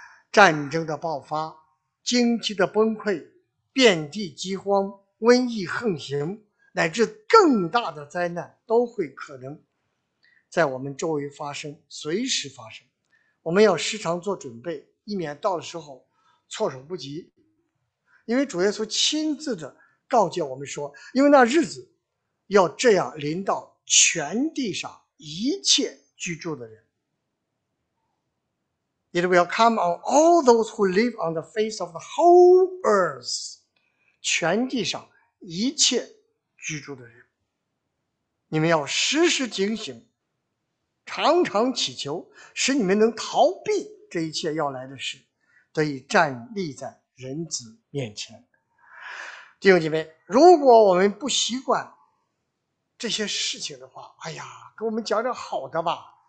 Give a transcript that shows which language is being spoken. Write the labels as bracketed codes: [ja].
[zh] 战争的爆发，经济的崩溃，遍地饥荒，瘟疫横行，乃至更大的灾难都会可能在我们周围发生，随时发生。我们要时常做准备，以免到的时候措手不及。因为主耶稣亲自的告诫我们说，因为那日子要这样临到全地上一切居住的人。 [en] It will come on all those who live on the face of the whole earth， [zh] 全地上一切居住的人。你们要时时警醒，常常祈求，使你们能逃避这一切要来的事，得以站立在人子面前。弟兄姐妹，如果我们不习惯这些事情的话，哎呀，给我们讲点好的吧。